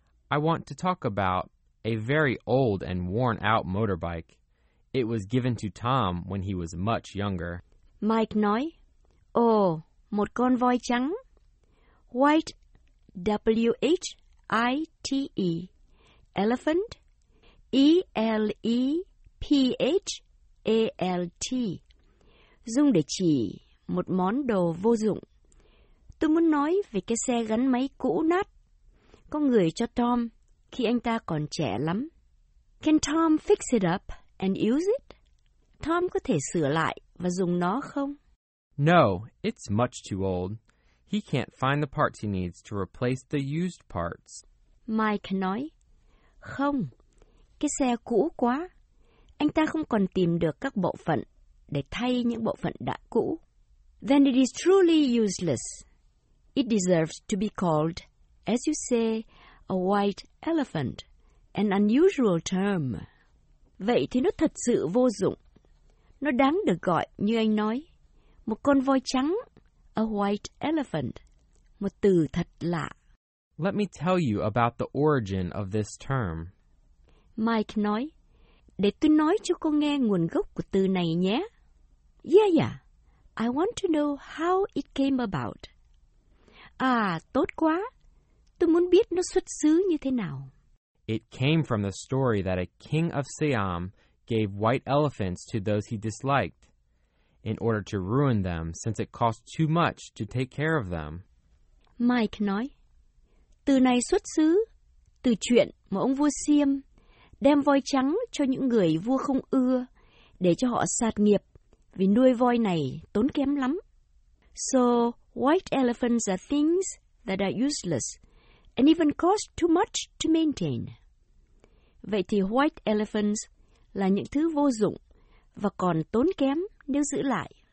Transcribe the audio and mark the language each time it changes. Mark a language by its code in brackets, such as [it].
[en] I want to talk about a very old and worn out motorbike. It was given to Tom when he was much younger. [vi] Mike nói, ồ, một con voi trắng. [en] White, W-H-I-T-E, elephant, E-L-E-P-H-A-L-T, [vi] dùng để chỉ một món đồ vô dụng. Tôi muốn nói về cái xe gắn máy cũ nát, có người cho Tom khi anh ta còn trẻ lắm. [en] Can Tom fix it up and use it? [vi] Tom có thể sửa lại và dùng nó không? [en] No, it's much too old. He can't find the parts he needs to replace the used parts. [vi] Mike nói, không, cái xe cũ quá. Anh ta không còn tìm được các bộ phận để thay những bộ phận đã cũ. [en] Then it is truly useless. It deserves to be called, as you say, a white elephant, an unusual term. [vi] Vậy thì nó thật sự vô dụng. Nó đáng được gọi, như anh nói, một con voi trắng, [en] a white elephant, [vi] một từ thật lạ. [en] Let me tell you about the origin of this term. [vi] Mike nói, để tôi nói cho cô nghe nguồn gốc của từ này nhé. [en] Yeah, yeah. I want to know how it came about. [vi] À, tốt quá. Tôi muốn biết nó xuất xứ như thế nào. [en] It came from the story that a king of Siam gave white elephants to those he disliked in order to ruin them since it cost too much to take care of them. [vi] Mike nói, từ này xuất xứ, từ chuyện mà ông vua Siam đem voi trắng cho những người vua không ưa để cho họ sạt nghiệp vì nuôi voi này tốn kém lắm. [en] So, white elephants are things that are useless and even cost too much to maintain. [vi] Vậy thì white elephants là những thứ vô dụng và còn tốn kém nếu giữ lại.